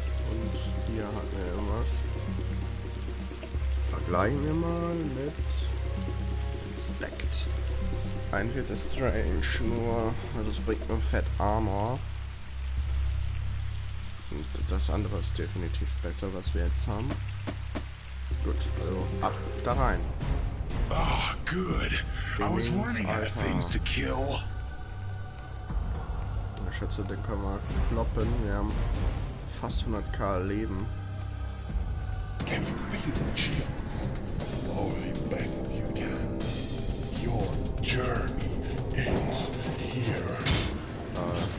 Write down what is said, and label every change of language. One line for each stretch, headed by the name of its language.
German: Und hier hatten wir irgendwas. Vergleichen wir mal mit Respekt. Eigentlich ist es strange, nur, also es bringt nur Fat Armor. Und das andere ist definitiv besser, was wir jetzt haben. Gut, also ab da rein.
English: Ah, oh, good. I was running out of things to kill.
German: Ich schätze, den können wir kloppen. Wir haben fast 100k Leben.
English: Can you feel the chills? Holy bet you can. Your journey is here.